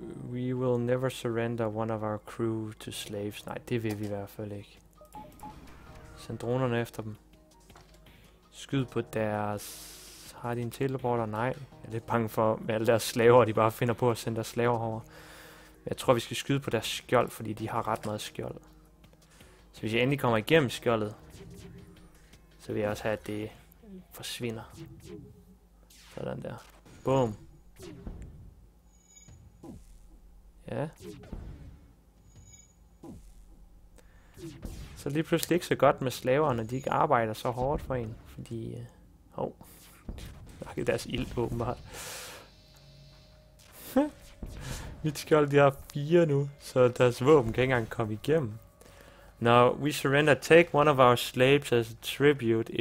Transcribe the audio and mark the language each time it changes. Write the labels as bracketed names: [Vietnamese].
[English] We will never surrender one of our crew to slaves. [Danish] Nej, det vil vi i hvert fald ikke. Send dronerne efter dem. Skyd på deres... Har de en teleporter? Nej. Jeg er lidt bange for med alle deres slaver, de bare finder på at sende deres slaver over. Men jeg tror, vi skal skyde på deres skjold, fordi de har ret meget skjold. Så hvis jeg endelig kommer igennem skjoldet, så vil jeg også have, at det forsvinder. Sådan der. Boom. Ja. Så lige pludselig ikke så godt med slaver, når de ikke arbejder så hårdt for en. Fordi... Der er deres ild, åbenbart. Mit skjold, de har fire nu, så deres våben kan ikke engang komme igennem. [English] Now, we surrender. Take one of our slaves as a tribute.